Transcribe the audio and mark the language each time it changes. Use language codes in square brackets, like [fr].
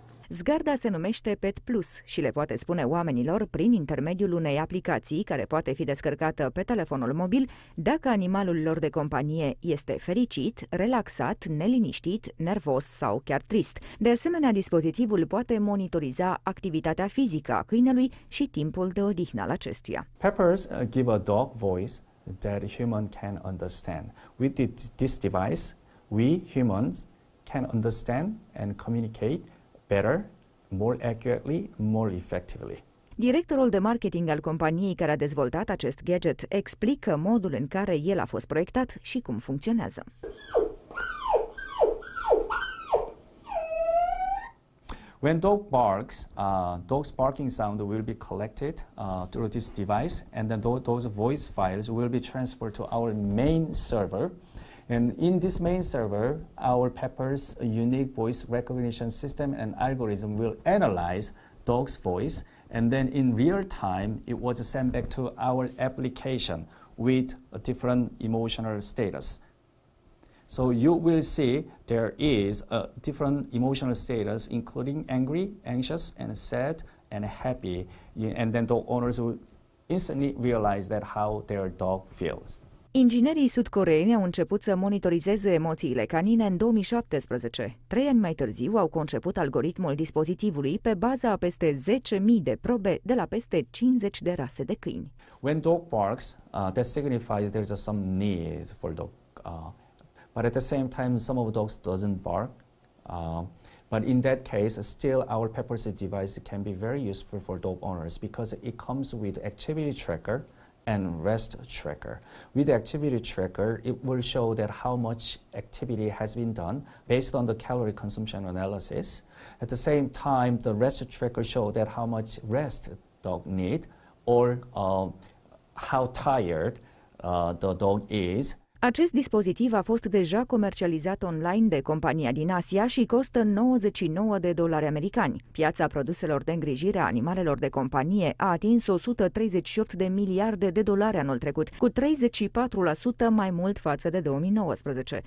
[ro] Zgarda se numește Pet Plus și le poate spune oamenilor, prin intermediul unei aplicații care poate fi descărcată pe telefonul mobil, dacă animalul lor de companie este fericit, relaxat, neliniștit, nervos sau chiar trist. De asemenea, dispozitivul poate monitoriza activitatea fizică a câinelui și timpul de odihnă al acestuia. [en] Peppers give a dog voice that human can understand. With this device, we humans can understand and communicate better, more accurately, more effectively. [ro] Directorul de marketing al companiei care a dezvoltat acest gadget explică modul în care el a fost proiectat și cum funcționează. [en] When dog barks, dog's barking sound will be collected through this device, and then those voice files will be transferred to our main server. And in this main server, our Pepper's unique voice recognition system and algorithm will analyze dog's voice, and then in real time, it was sent back to our application with a different emotional status. So you will see there is a different emotional status, including angry, anxious, and sad, and happy. And then dog owners will instantly realize that how their dog feels. [ro] Inginerii sud-coreeni au început să monitorizeze emoțiile canine în 2017. 3 ani mai târziu au conceput algoritmul dispozitivului pe baza a peste 10.000 de probe de la peste 50 de rase de câini. [en] When dog barks, that signifies there's some need for dog. But at the same time, some of dogs doesn't bark. But in that case, still our Pepper's device can be very useful for dog owners because it comes with activity tracker and rest tracker. With the activity tracker, it will show that how much activity has been done based on the calorie consumption analysis. At the same time, the rest tracker show that how much rest dog need or how tired the dog is. [ro] Acest dispozitiv a fost deja comercializat online de compania din Asia și costă $99. Piața produselor de îngrijire a animalelor de companie a atins $138 miliarde anul trecut, cu 34% mai mult față de 2019.